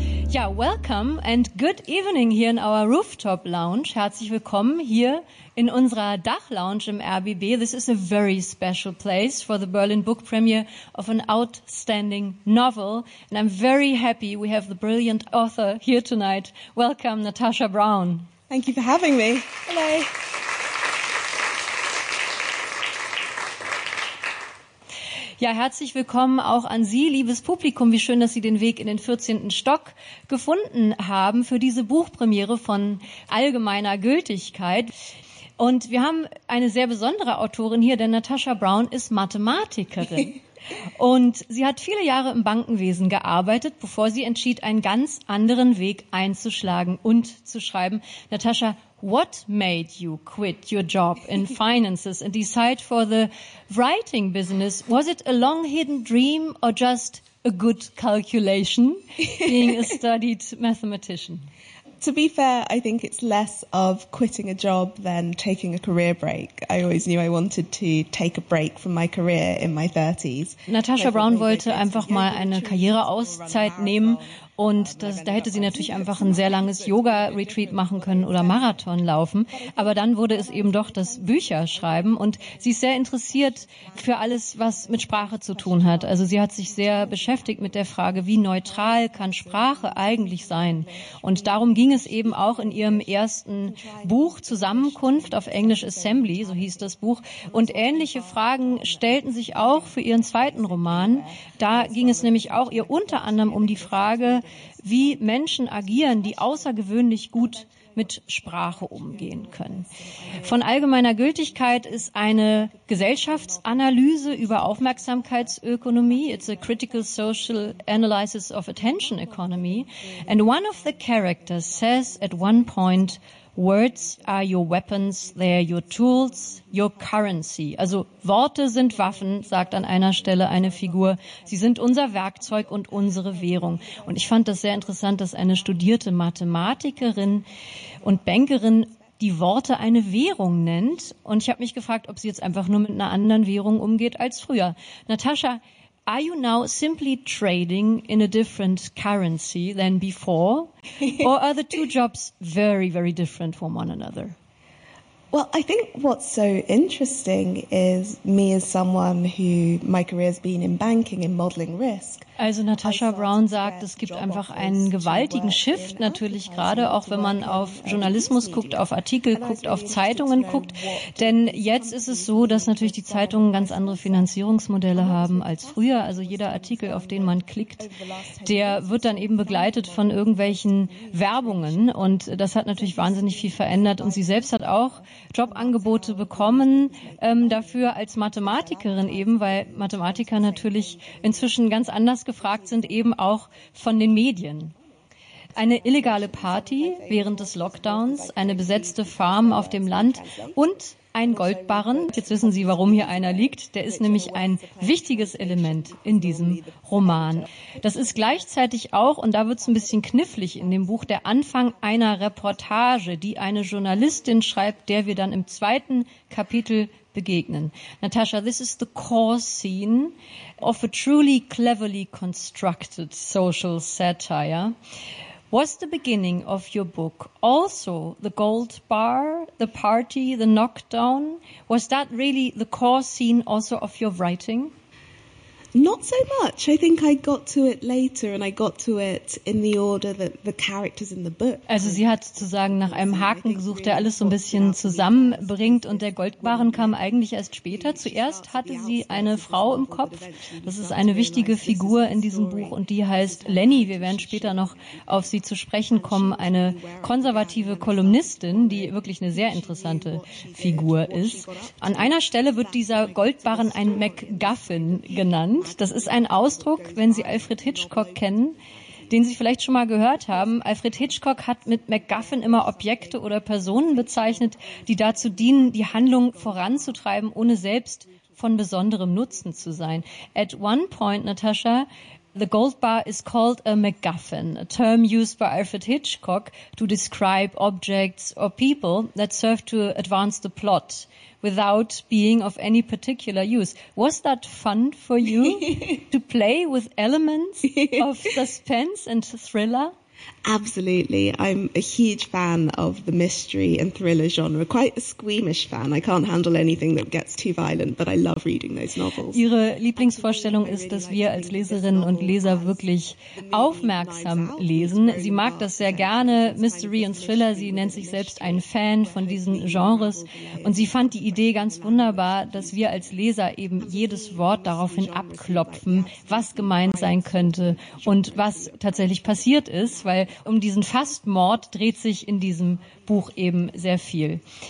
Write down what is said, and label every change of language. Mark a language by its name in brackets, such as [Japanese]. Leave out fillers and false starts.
[English] Ja, welcome and good evening here in our rooftop lounge. [German] Herzlich willkommen hier in unserer Dachlounge im RBB. [English] This is a very special place for the Berlin book premiere of an outstanding novel. And I'm very happy we have the brilliant author here tonight. Welcome, Natasha Brown. Thank you for having me. Hello. [German] Ja, herzlich willkommen auch an Sie, liebes Publikum. Wie schön, dass Sie den Weg in den 14. Stock gefunden haben für diese Buchpremiere von allgemeiner Gültigkeit. Und wir haben eine sehr besondere Autorin hier, denn Natasha Brown ist Mathematikerin. Und sie hat viele Jahre im Bankenwesen gearbeitet, bevor sie entschied, einen ganz anderen Weg einzuschlagen und zu schreiben. [English] Natasha, what made you quit your job in finances and decide for the writing business? Was it a long hidden dream or just a good calculation being a studied mathematician? To be fair, I think it's less of quitting a job than taking a career break. I always knew I wanted to take a break from my career in my 30s. [German] Natasha Brown wollte einfach mal eine Karriereauszeit nehmen. Und das, da hätte sie natürlich einfach ein sehr langes Yoga-Retreat machen können oder Marathon laufen. Aber dann wurde es eben doch das Bücherschreiben. Und sie ist sehr interessiert für alles, was mit Sprache zu tun hat. Also sie hat sich sehr beschäftigt mit der Frage, wie neutral kann Sprache eigentlich sein? Und darum ging es eben auch in ihrem ersten Buch Zusammenkunft auf Englisch Assembly, so hieß das Buch. Und ähnliche Fragen stellten sich auch für ihren zweiten Roman. Da ging es nämlich auch ihr unter anderem um die Frage, wie Menschen agieren, die außergewöhnlich gut mit Sprache umgehen können. Von allgemeiner Gültigkeit ist eine Gesellschaftsanalyse über Aufmerksamkeitsökonomie. [English] It's a critical social analysis of attention economy. And one of the characters says at one point, Words are your weapons, they are your tools, your currency. [German] Also Worte sind Waffen, sagt an einer Stelle eine Figur. Sie sind unser Werkzeug und unsere Währung. Und ich fand das sehr interessant, dass eine studierte Mathematikerin und Bankerin die Worte eine Währung nennt. Und ich habe mich gefragt, ob sie jetzt einfach nur mit einer anderen Währung umgeht als früher. [English] Natascha, are you now simply trading in a different currency than before? Or are the two jobs very, very different from one another? Well, I think what's so interesting is me as someone who my career has been in banking and modeling risk. [German] Also Natascha Brown sagt, es gibt einfach einen gewaltigen Shift natürlich, gerade auch wenn man auf Journalismus guckt, auf Artikel guckt, auf Zeitungen guckt. Denn jetzt ist es so, dass natürlich die Zeitungen ganz andere Finanzierungsmodelle haben als früher. Also jeder Artikel, auf den man klickt, der wird dann eben begleitet von irgendwelchen Werbungen. Und das hat natürlich wahnsinnig viel verändert. Und sie selbst hat auch Jobangebote bekommen dafür als Mathematikerin eben, weil Mathematiker natürlich inzwischen ganz anders gefragt sind, eben auch von den Medien. Eine illegale Party während des Lockdowns, eine besetzte Farm auf dem Land und ein Goldbarren. Jetzt wissen Sie, warum hier einer liegt. Der ist nämlich ein wichtiges Element in diesem Roman. Das ist gleichzeitig auch, und da wird es ein bisschen knifflig in dem Buch, der Anfang einer Reportage, die eine Journalistin schreibt, der wir dann im zweiten Kapitel begegnen. [English] Natascha, this is the core scene of a truly cleverly constructed social satire. Was the beginning of your book also the gold bar, the party, the knockdown? Was that really the core scene also of your writing? Not so much. I think I got to it later and I got to it in the order that the characters in the book. [German] Also sie hat sozusagen nach einem Haken gesucht, der alles so ein bisschen zusammenbringt, und der Goldbarren kam eigentlich erst später. Zuerst hatte sie eine Frau im Kopf. Das ist eine wichtige Figur in diesem Buch und die heißt Lenny. Wir werden später noch auf sie zu sprechen kommen. Eine konservative Kolumnistin, die wirklich eine sehr interessante Figur ist. An einer Stelle wird dieser Goldbarren ein MacGuffin genannt. Das ist ein Ausdruck, wenn Sie Alfred Hitchcock kennen, den Sie vielleicht schon mal gehört haben. Alfred Hitchcock hat mit MacGuffin immer Objekte oder Personen bezeichnet, die dazu dienen, die Handlung voranzutreiben, ohne selbst von besonderem Nutzen zu sein. [English] At one point, Natascha, the gold bar is called a MacGuffin, a term used by Alfred Hitchcock to describe objects or people that serve to advance the plot without being of any particular use. Was that fun for you to play with elements of suspense and thriller? Absolutely. I'm a huge fan of the mystery and thriller genre. Quite a squeamish fan. I can't handle anything that gets too violent, but I love reading those novels. [German] Ihre Lieblingsvorstellung ist, dass wir als Leserinnen und Leser wirklich aufmerksam lesen. Sie mag das sehr gerne, Mystery und Thriller. Sie nennt sich selbst ein Fan von diesen Genres. Und sie fand die Idee ganz wunderbar, dass wir als Leser eben jedes Wort daraufhin abklopfen, was gemeint sein könnte und was tatsächlich passiert ist, weil um diesen Fastmord dreht sich in diesem Buch eben sehr viel.